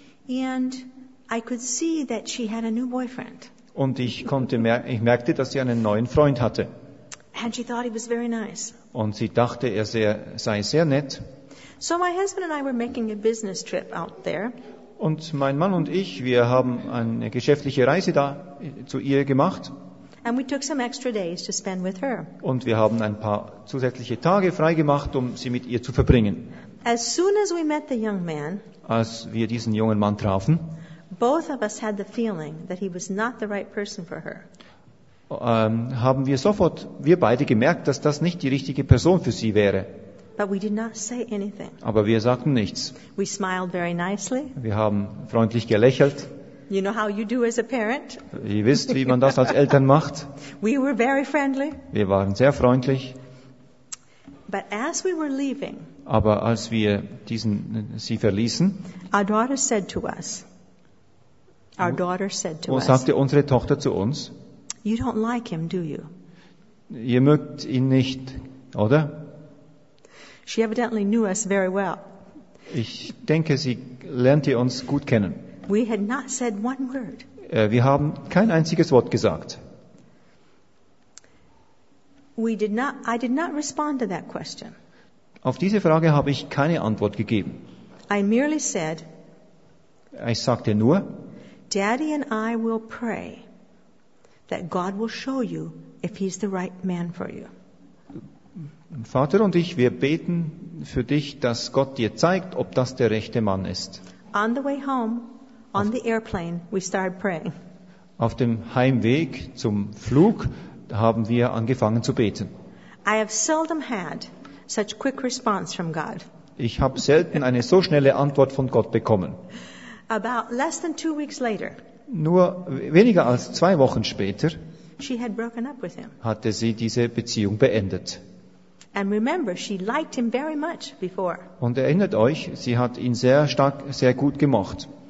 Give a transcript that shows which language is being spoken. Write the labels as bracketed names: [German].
[English] And I could see that she had a new boyfriend. [German] Und ich merkte, dass sie einen neuen Freund hatte. [English] And she thought he was very nice. [German] Und sie dachte, sei sehr nett. [English] So my husband and I were making a business trip out there. [German] Und mein Mann und ich, wir haben eine geschäftliche Reise da zu ihr gemacht. [English] And we took some extra days to spend with her. [German] Und wir haben ein paar zusätzliche Tage freigemacht, um sie mit ihr zu verbringen. [English] As soon as we met the young man, [German] als wir diesen jungen Mann trafen, [English] both of us had the feeling that he was not the right person for her. [German] Haben wir sofort, wir beide gemerkt, dass das nicht die richtige Person für sie wäre. [English] But we did not say anything. [German] Aber wir sagten nichts. [English] We smiled very nicely. [German] Wir haben freundlich gelächelt. [English] You know how you do as a parent. [German] Ihr wisst, wie man das als Eltern macht. [English] We were very friendly. [German] Wir waren sehr freundlich. [English] But as we were leaving, [German] aber als wir sie verließen, [English] our daughter said to us, our daughter said to us, [German] sagte unsere Tochter zu uns, [English] you don't like him, do you? [German] Ihr mögt ihn nicht, oder? [English] She evidently knew us very well. [German] Ich denke, sie lernte uns gut kennen. [English] We had not said one word. [German] Wir haben kein einziges Wort gesagt. [English] I did not respond to that question. [German] Auf diese Frage habe ich keine Antwort gegeben. [English] I merely said, [German] ich sagte nur, [English] Daddy and I will pray that God will show you if he's the right man for you. [German] Vater und ich, wir beten für dich, dass Gott dir zeigt, ob das der rechte Mann ist. [English] On the way home, on the airplane, we started praying. [German] Auf dem Heimweg zum Flug haben wir angefangen zu beten. [English] I have seldom had such quick response from God. [German] Ich habe selten eine so schnelle Antwort von Gott bekommen. [English] About less than 2 weeks later, [German] nur weniger als 2 Wochen später, [English] she had broken up with him. [German] Hatte sie diese Beziehung beendet. [English] And remember, she liked him very much before. [German] Und erinnert euch, sie hat ihn sehr stark, sehr gut gemocht.